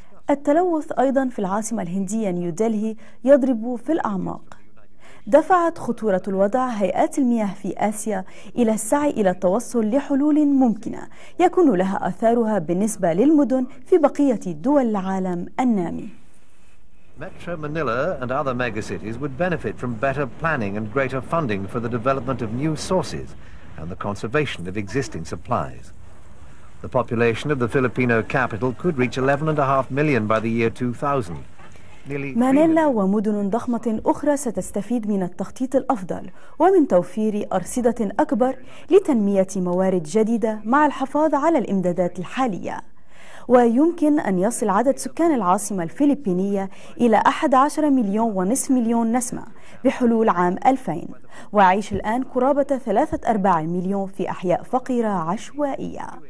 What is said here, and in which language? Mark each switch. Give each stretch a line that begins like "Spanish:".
Arabic: التلوث أيضا في العاصمة الهندية نيودلهي يضرب في الأعماق. دفعت خطورة الوضع هيئات المياه في آسيا إلى السعي إلى التوصل لحلول ممكنة يكون لها أثارها بالنسبة للمدن في بقية دول العالم النامي.
English: Metro Manila and other megacities would benefit from better planning and greater funding for the development of new sources and the conservation of existing supplies. The population of the Filipino capital could reach 11.5 million by the year 2000.
Arabic: مانيلا ومدن ضخمة أخرى ستستفيد من التخطيط الأفضل ومن توفير أرصدة أكبر لتنمية موارد جديدة مع الحفاظ على الإمدادات الحالية، ويمكن أن يصل عدد سكان العاصمة الفلبينية إلى 11 مليون ونصف مليون نسمة بحلول عام 2000، ويعيش الآن قرابة 3/4 مليون في أحياء فقيرة عشوائية.